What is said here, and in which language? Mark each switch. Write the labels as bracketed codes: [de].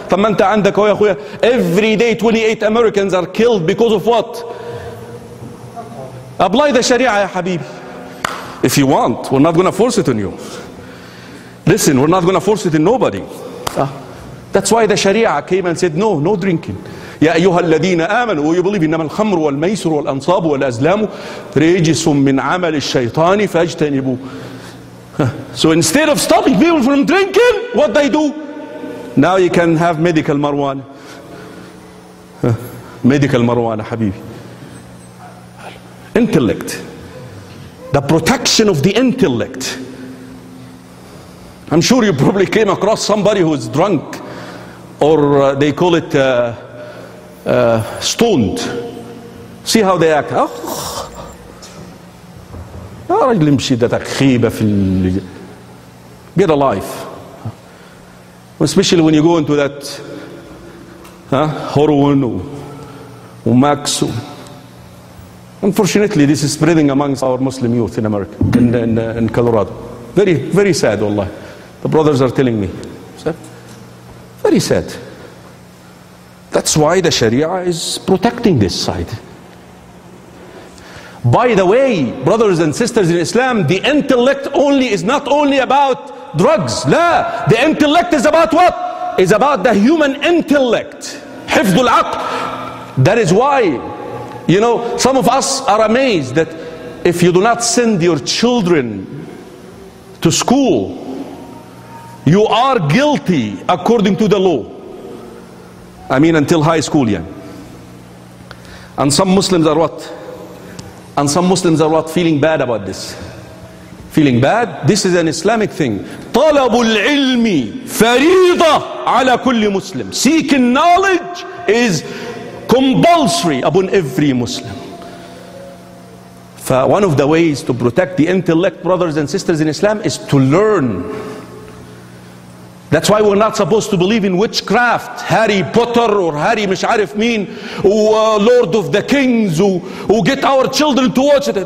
[ar] طب ما انت عندك اهو يا اخويا [en] every day 28 Americans are killed because of what? Apply the sharia [ar] يا حبيبي. [en] If you want, we're not going to force it on you. Listen, we're not going to force it in nobody. That's why the sharia came and said, no, no drinking. [ar] يا أيها الذين آمنوا, [en] you believe [ar] إنما الخمر والميسر والأنصاب والأزلام رجس من عمل الشيطان فاجتنبوا. [en] So instead of stopping people from drinking, what they do? Now you can have medical marijuana. Medical marijuana, حبيبي. Intellect. The protection of the intellect. I'm sure you probably came across somebody who is drunk, or they call it stoned. See how they act. [ar] Oh, رجل يمشي ده تخيبة في ال. [en] Get a life. Especially when you go into that, heroin, max. Unfortunately, this is spreading amongst our Muslim youth in America, in Colorado. Very, very sad, wallah. The brothers are telling me. Very sad. That's why the Sharia is protecting this side. By the way, brothers and sisters in Islam, the intellect only is not only about drugs. [ar] لا. [en] The intellect is about what? It's about the human intellect. [ar] حفظ العقل. [en] That is why, you know, some of us are amazed that if you do not send your children to school, you are guilty according to the law. I mean until high school, yeah. And some Muslims are what? And some Muslims are what? Feeling bad about this. Feeling bad? This is an Islamic thing. [ar] طلب العلم فريضة على كل مسلم. [en] Seeking knowledge is compulsory upon every Muslim. One of the ways to protect the intellect, brothers and sisters in Islam, is to learn. That's why we're not supposed to believe in witchcraft. Harry Potter or Harry [ar] مش عارف مين, [en] Lord of the Kings, who get our children to watch it.